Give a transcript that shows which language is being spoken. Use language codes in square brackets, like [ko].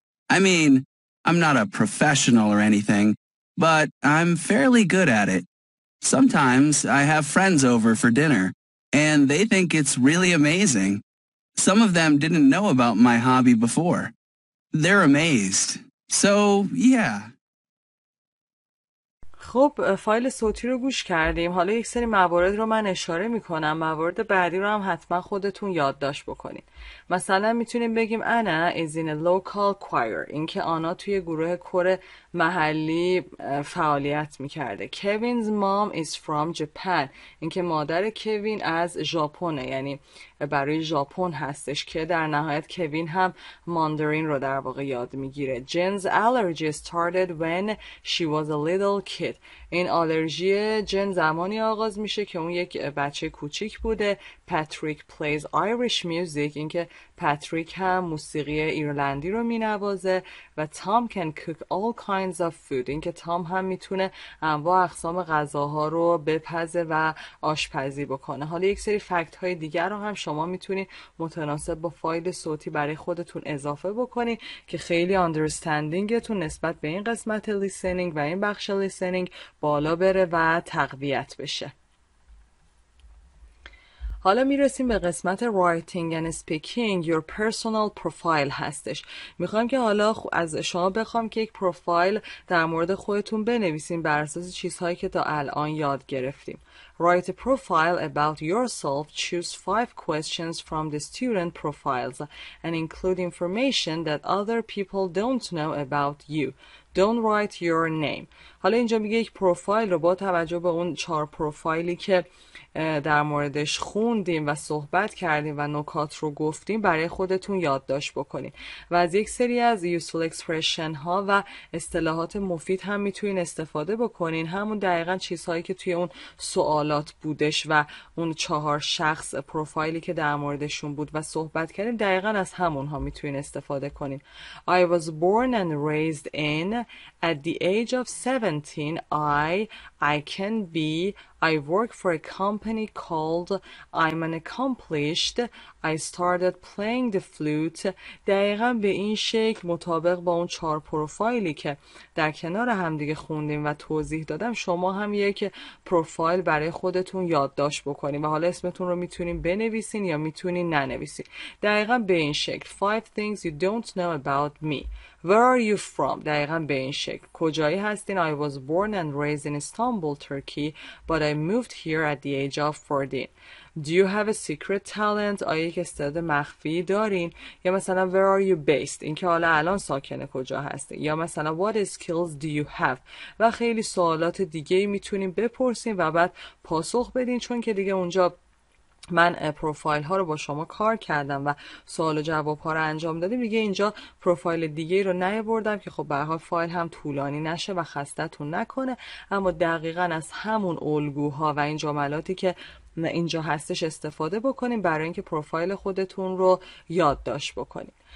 [en] I mean, I'm not a professional or anything, but I'm fairly good at it. Sometimes I have friends over for dinner, and they think it's really amazing. Some of them didn't know about my hobby before. They're amazed. So, yeah. [fa] خب فایل صوتی رو گوش کردیم. حالا یک سری موارد رو من اشاره میکنم. موارد بعدی رو هم حتما خودتون یادداشت بکنید. مثلا میتونیم بگیم [en] Anna is in a local choir. [fa] این که آنا توی گروه کور محلی فعالیت میکرده. [en] Kevin's mom is from Japan. [fa] این که مادر کوین از ژاپنه. یعنی برای ژاپن هستش که در نهایت کوین هم ماندرین رو در واقع یاد میگیره. [en] Jen's allergy started when she was a little kid. [fa] این آلرژی جن زمانی آغاز میشه که اون یک بچه کوچیک بوده. [en] Patrick plays Irish music. [fa] این که پاتریک هم موسیقی ایرلندی رو مینوازه. و [en] Tom can cook all kinds of food. [fa] این که تام هم میتونه انواع اقسام غذاها رو بپزه و آشپزی بکنه. حالا یک سری فکت های دیگر رو هم شما میتونید متناسب با فایل صوتی برای خودتون اضافه بکنید که خیلی understandingتون نسبت به این قسمت listening و این بخش listening بالا بره و تقویت بشه. حالا میرسیم به قسمت [en] writing and speaking your personal profile [fa] هستش. میخوام که حالا از شما بخوام که یک پروفایل در مورد خودتون بنویسیم بر اساس چیزهایی که تا الان یاد گرفتیم. [en] Write a profile about yourself. Choose 5 questions from the student profiles and include information that other people don't know about you. Don't write your name. [fa] حالا اینجا میگه یک پروفایل رو با توجه به اون 4 پروفایلی که در موردش خوندیم و صحبت کردیم و نکات رو گفتیم برای خودتون یادداشت بکنید. و از یک سری از useful expression ها و اصطلاحات مفید هم میتونین استفاده بکنین. همون دقیقاً چیزهایی که توی اون سوالات بودش و اون 4 شخص پروفایلی که در موردشون بود و صحبت کردیم دقیقاً از همون ها میتونین استفاده کنین. [en] I was born and raised in at the age of 17, I can be, I work for a company called, I'm an accomplished, I started playing the flute. [fa] دقیقا به این شکل مطابق با اون 4 پروفایلی که در کنار هم دیگه خوندیم و توضیح دادم شما هم یک پروفایل برای خودتون یادداشت بکنیم و حالا اسمتون رو میتونین بنویسین یا میتونین ننویسین. دقیقا به این شکل [en] 5 things you don't know about me. Where are you from? [fa] دقیقا به این شکل کجایی هستین؟ [en] I was born and raised in Istanbul, Turkey, but I moved here at the age of 14. Do you have a secret talent? [fa] آیا یک استعداد مخفی دارین؟ یا مثلا [en] where are you based؟ [fa] اینکه حالا الان ساکن کجا هستین؟ یا مثلا [en] what skills do you have؟ [fa] و خیلی سوالات دیگه میتونین بپرسین و بعد پاسخ بدین، چون که دیگه اونجا من پروفایل ها رو با شما کار کردم و سوال و جواب ها رو انجام دادیم، میگه اینجا پروفایل دیگه رو نیاوردم که خب به هر حال فایل هم طولانی نشه و خستتون نکنه، اما دقیقا از همون الگوها و این جملاتی که اینجا هستش استفاده بکنیم برای اینکه پروفایل خودتون رو یادداشت بکنیم.